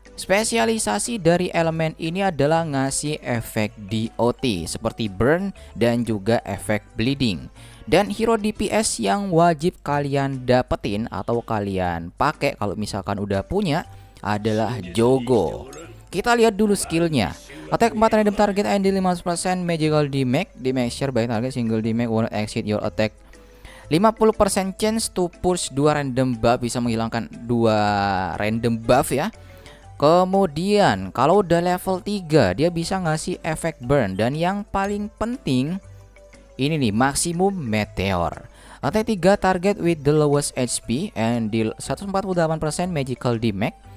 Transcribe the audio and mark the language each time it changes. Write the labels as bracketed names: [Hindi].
[Indonesian] Spesialisasi dari elemen ini adalah ngasih efek DOT seperti burn dan juga efek bleeding. Dan hero DPS yang wajib kalian dapetin atau kalian pakai kalau misalkan udah punya adalah Jogo. Kita lihat dulu skillnya. [English] Attack 4 random target and deal 50% magical damage. Damage share by target single damage won't exceed your attack. 50% chance to push 2 random buff, [Indonesian] bisa menghilangkan 2 random buff ya. Kemudian kalau udah level 3 dia bisa ngasih efek burn. Dan yang paling penting ini nih, maksimum meteor. [English] Attack 3 target with the lowest HP and deal 148% magical damage.